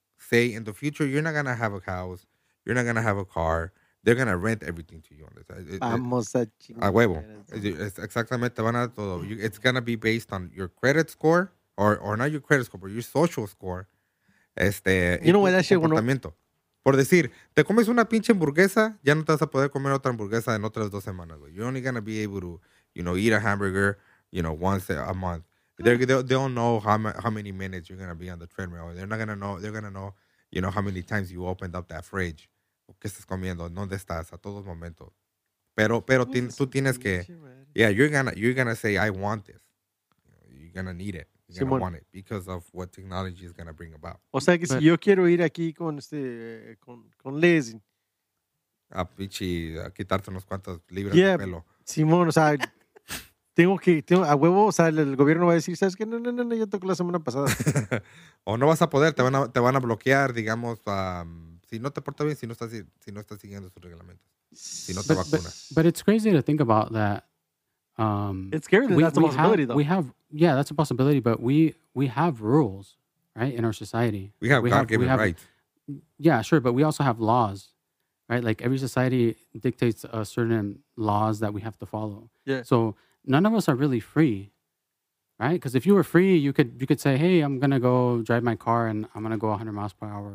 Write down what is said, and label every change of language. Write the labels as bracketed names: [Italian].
[English] Say, in the future, you're not going to have a house. You're not going to have a car. They're going to rent everything to you. [Spanish] Vamos a chingar. A huevo. Exactamente. Van a todo. [English] It's going to be based on your credit score, or not your credit score, but your social score. You know what that shit went on? [Spanish] Por decir, te comes una pinche hamburguesa, ya no te vas a poder comer otra hamburguesa en otras dos semanas, güey. [English] You're only going to be able to, you know, eat a hamburger, you know, once a month. They don't know how many minutes you're going to be on the treadmill. They're not going to know, you know, how many times you opened up that fridge. [Spanish] ¿Qué estás comiendo? ¿Dónde estás? A todos momentos. Pero tú tienes que, [English] yeah, you're going to say, I want this. You're going to need it. You're gonna want it because of what technology is gonna bring about. [Spanish] O sea que si yo quiero ir aquí con con Liz. A pichi, a quitarte unos cuantos libras de pelo. Simón, o sea, tengo a huevo, o sea, el gobierno va a decir, ¿sabes qué? No, yo toco la semana pasada. O no vas a poder, te van a bloquear, digamos, si no te portas bien, si no estás siguiendo sus reglamentos, si no te vacunas. [English] But it's crazy to think about that. It's scary that that's a possibility, have, though. We have, yeah, that's a possibility, but we have rules, right, in our society. We have God-given rights. Yeah, sure, but we also have laws, right? Like, every society dictates a certain laws that we have to follow. Yeah. So none of us are really free, right? Because if you were free, you could say, hey, I'm going to go drive my car and I'm going to go 100 miles per hour.